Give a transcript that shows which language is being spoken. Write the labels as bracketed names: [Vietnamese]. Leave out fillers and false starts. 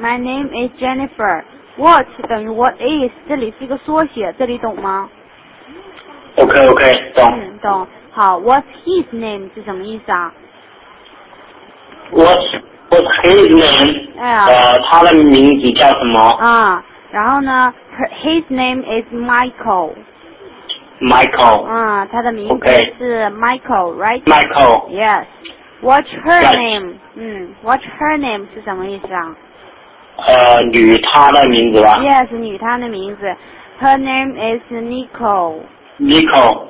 [English] My name is Jennifer. What 等于 what is? [Chinese] 这里是一个缩写这里懂吗 Okay, 懂懂好 , what's his name 是什么意思啊 ? what's his name? 他的名字叫什么 [English] 然后呢 ,his name is Michael. Michael. [Chinese] 他的名字是 Michael, right? [English] Michael. Yes. What's her name? [Chinese] What's her name 是什么意思啊女她的名字吧。 [English] Yes, 女她的名字。 Her name is Nicole. Nicole.